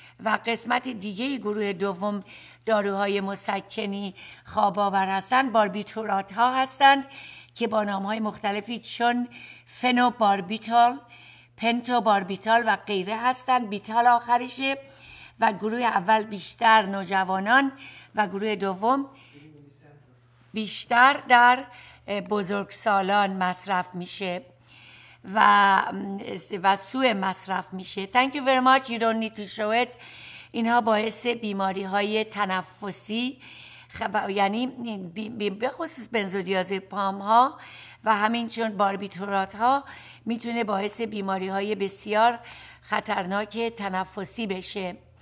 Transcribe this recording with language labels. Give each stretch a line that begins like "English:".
Persian: و قسمت دیگه گروه دوم داروهای مسکنی خواب‌آور هستند، باربیتورات ها هستند که با نام های مختلفی چون فنوباربیتال، پنتوباربیتال و غیره هستند، بیتال آخرشه. و گروه اول بیشتر نوجوانان و گروه دوم بیشتر در بزرگسالان مصرف میشه و سوء مصرف میشه.
English: Thank you very much. You don't need to show it.
Persian: اینها باعث بیماری های تنفسی یعنی به خصوص بنزودیازپام ها و همینچون باربیتورات ها میتونه باعث بیماری های بسیار خطرناک تنفسی بشه.